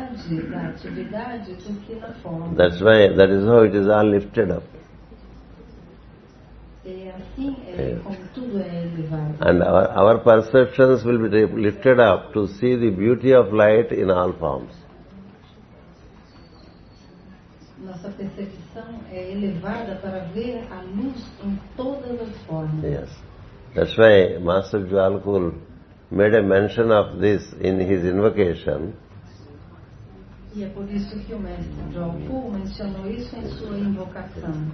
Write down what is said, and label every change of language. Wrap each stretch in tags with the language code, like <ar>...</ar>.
<en>That's why, that is how it is all lifted up. Yeah. And our perceptions will be lifted up to see the beauty of light in all forms.</en> <pt>Nossa percepção é elevada para ver a luz em todas as formas.</pt> <en>Yes. That's why Master Jwalakul made a mention of this in his invocation.</en> <pt>E é por isso que o Mestre Jwalakul mencionou isso em sua invocação.</pt>